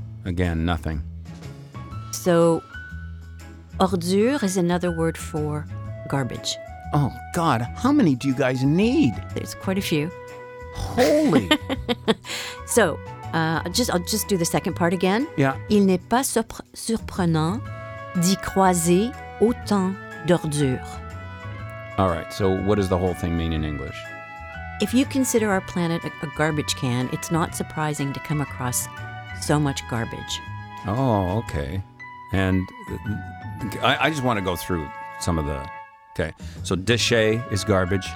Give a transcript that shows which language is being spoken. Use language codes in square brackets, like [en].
[en] Again, nothing. So, ordure is another word for garbage. Oh, God, how many do you guys need? There's quite a few. Holy! So, I'll just do the second part again. Yeah. [fr] Il n'est pas surprenant d'y croiser autant d'ordures. [en] All right, so what does the whole thing mean in English? If you consider our planet a garbage can, it's not surprising to come across so much garbage. Oh, okay. And I just want to go through some of the... Okay. So, déchet is garbage.